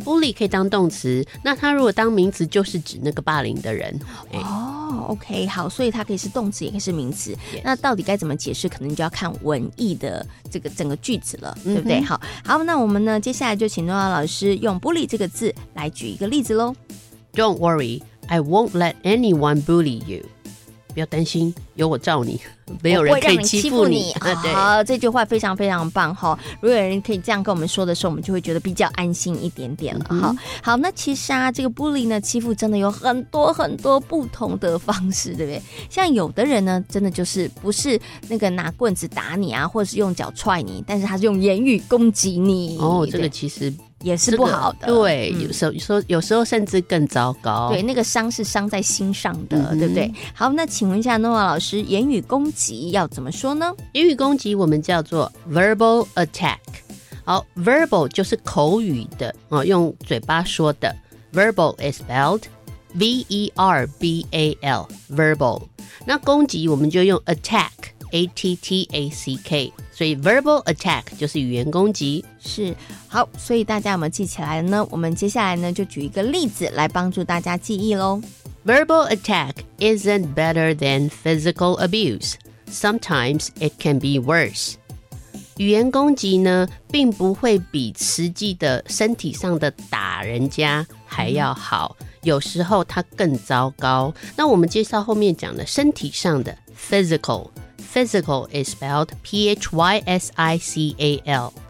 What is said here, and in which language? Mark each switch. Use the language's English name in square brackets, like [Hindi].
[Chinese] bully 可以当动词，那它如果当名词就是指那个霸凌的人。 OK， 好，所以它可以是动词也可以是名词。 [English] Yes. [Chinese] 那到底该怎么解释，可能就要看文意的这个整个句子了，对不对？好好，那我们呢接下来就请诺亚老师用 bully 这个字来举一个例子咯。 [English] Don't worry, I won't let anyone bully you。 [Chinese] 不要担心，有我罩你，没有人可以欺负你。好，这句话非常非常棒。如果有人可以这样跟我们说的时候，我们就会觉得比较安心一点点了。好，那其实啊，这个 bully 呢，欺负真的有很多很多不同的方式，对不对？像有的人呢，真的就是不是那个拿棍子打你啊，或者是用脚踹你，但是他是用言语攻击你。哦，这个其实也是不好的。对，有时候甚至更糟糕。对，那个伤是伤在心上的，对不对？好，那请问一下诺瓦老师，言语攻击要怎么说呢？言语攻击我们叫做 verbal attack。好， verbal 就是口语的，用嘴巴说的。 [English] verbal is spelled V-E-R-B-A-L verbal。 [Chinese] 那攻击我们就用 attack A-T-T-A-C-K， 所以 verbal attack 就是语言攻击。是，好，所以大家有没有记起来呢？我们接下来呢就举一个例子来帮助大家记忆咯。 [English] Verbal attack isn't better than physical abuse. Sometimes it can be worse. [Chinese] 语言攻击呢，并不会比实际的身体上的打人家还要好，有时候它更糟糕。那我们介绍后面讲的身体上的 physical， [English] physical is spelled P-H-Y-S-I-C-A-L.